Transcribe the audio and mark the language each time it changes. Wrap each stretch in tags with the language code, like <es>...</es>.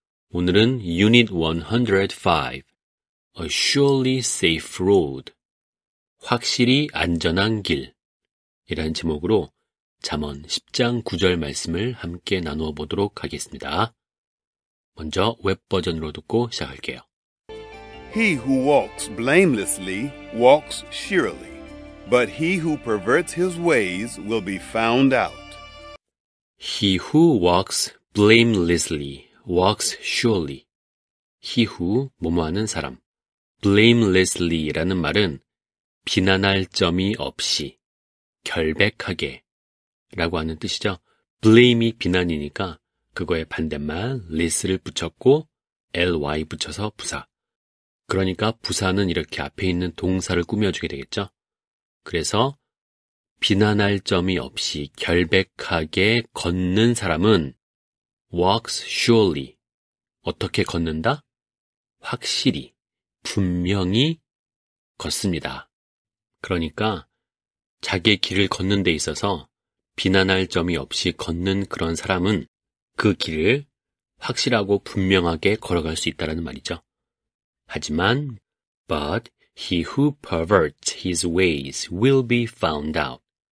<ko>오늘은 Unit 105,</ko> <en>A Surely Safe Road,</en> <ko>확실히 안전한 길 이라는 제목으로 잠언 10장 9절 말씀을 함께 나누어 보도록 하겠습니다. 먼저 웹버전으로 듣고 시작할게요.</ko> <en>He who walks blamelessly walks surely, but he who perverts his ways will be found out. He who walks blamelessly walks surely. He who,</en> <ko>뭐뭐하는 사람. blamelessly라는 말은 비난할 점이 없이, 결백하게, 라고 하는 뜻이죠. blame이 비난이니까 그거에 반대말 less를 붙였고 ly 붙여서 부사. 그러니까 부사는 이렇게 앞에 있는 동사를 꾸며주게 되겠죠. 그래서 비난할 점이 없이 결백하게 걷는 사람은</ko> <en>walks surely.</en> <ko>어떻게 걷는다? 확실히, 분명히 걷습니다. 그러니까 자기의 길을 걷는 데 있어서 비난할 점이 없이 걷는 그런 사람은 그 길을 확실하고 분명하게 걸어갈 수 있다는 말이죠. 하지만,</ko> <en>but he who perverts his ways will be found out.</en>